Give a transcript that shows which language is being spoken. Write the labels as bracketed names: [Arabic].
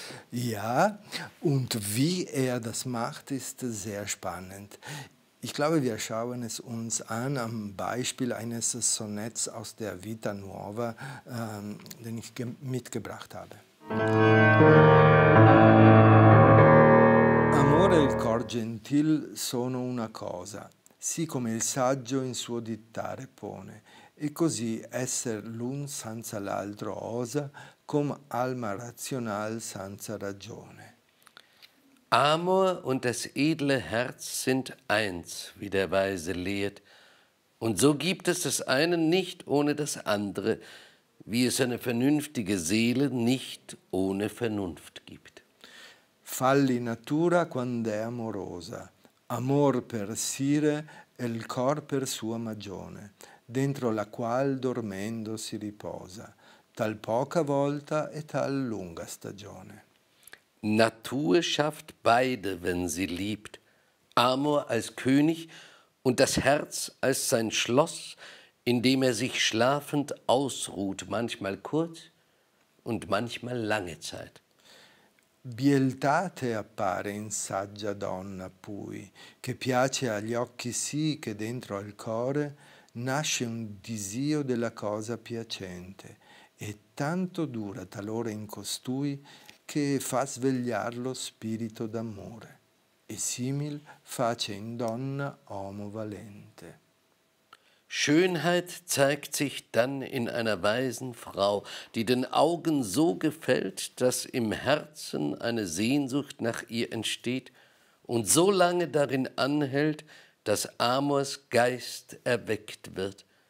[German] Ja, und wie er das macht, ist sehr spannend. Ich glaube, wir schauen es uns an am Beispiel eines Sonetts aus der Vita Nuova, den ich mitgebracht habe. [Italian] Amore e il cor gentil sono una cosa, sì come il saggio in suo dittare pone, e così esser l'un senza l'altro osa, com alma razional senza ragione. [German] Amor und das edle Herz sind eins, wie der Weise lehrt, und so gibt es das eine nicht ohne das andere, wie es eine vernünftige Seele nicht ohne Vernunft gibt. [Italian] Falli natura quand'è amorosa, amor per sire e il cor per sua magione, dentro la qual dormendo si riposa, tal poca volta e tal lunga stagione. [German] Natur schafft beide, wenn sie liebt, Amor als König und das Herz als sein Schloss, in dem er sich schlafend ausruht, manchmal kurz und manchmal lange Zeit. [Italian] Bieltate appare in saggia donna pui, che piace agli occhi sì che dentro al cuore nasce un disio della cosa piacente e tanto dura talora in costui che fa svegliar lo spirito d'amore e simil face in donna homo valente. [German] Schönheit zeigt sich dann in einer weisen Frau, die den Augen so gefällt, dass im Herzen eine Sehnsucht nach ihr entsteht und so lange darin anhält, dass Amors Geist erweckt wird.